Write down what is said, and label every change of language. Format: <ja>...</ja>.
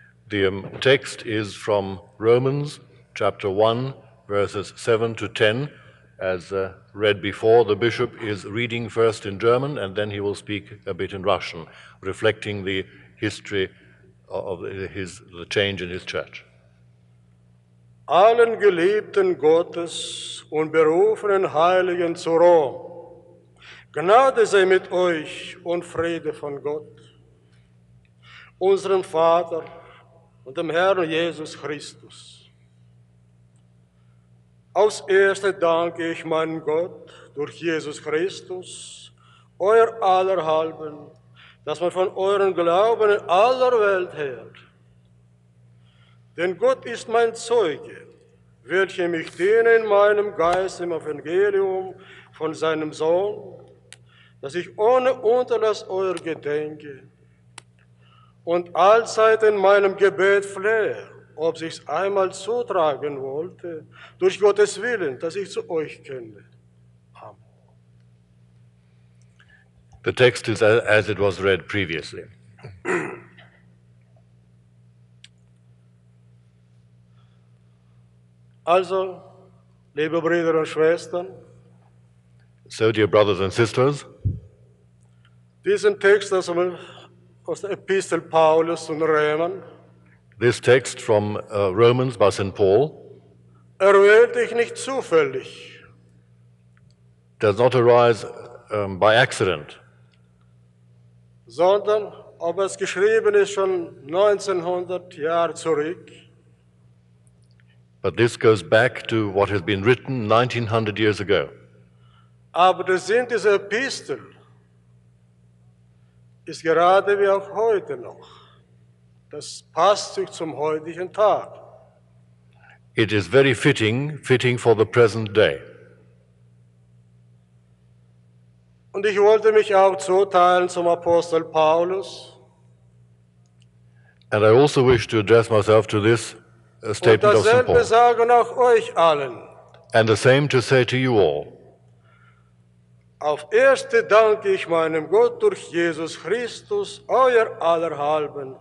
<en>The text is from Romans chapter 1, verses 7 to 10, as read before. The bishop is reading first in German and then he will speak a bit in Russian, reflecting the history of the change in his church.</en> <de>Allen Geliebten Gottes und berufenen Heiligen zu Rom, Gnade sei mit euch und Friede von Gott, unserem Vater und dem Herrn Jesus Christus. Aufs Erste danke ich meinem Gott durch Jesus Christus, euer aller Halben, dass man von euren Glauben in aller Welt hört. Denn Gott ist mein Zeuge, welcher mich diene in meinem Geist im Evangelium von seinem Sohn, dass ich ohne Unterlass euer gedenke und allzeit in meinem Gebet flehe, ob sich's einmal zutragen wollte, durch Gottes Willen, dass ich zu euch kenne. Amen.</de> <en>The text is as it was read previously.</en> <de>Also, liebe Brüder und Schwestern,</de> <en>so, dear brothers and sisters,</en> <de>diesen Text aus der Epistel Paulus zu den Römern,</de> <en>this text from Romans by St. Paul</en> <de>erwählt ich nicht zufällig,</de> <en>does not arise by accident,</en> <de>sondern, ob es geschrieben ist, schon 1900 Jahre zurück.</de> <en>But this goes back to what has been written 1900 years ago.</en> <de>Aber der Sinn dieser Epistel ist gerade wie auch heute noch. Das passt sich zum heutigen Tag.</de> <en>It is very fitting for the present day.</en> <de>Und ich wollte mich auch zuteilen zum Apostel Paulus.</de> <en>And I also wish to address myself to this statement of St. Paul.</en> <de>Und dasselbe sagen auch euch allen.</de> <en>And the same to say to you all.</en> <de>Auf Erste danke ich meinem Gott durch Jesus Christus, euer aller Halben.</de>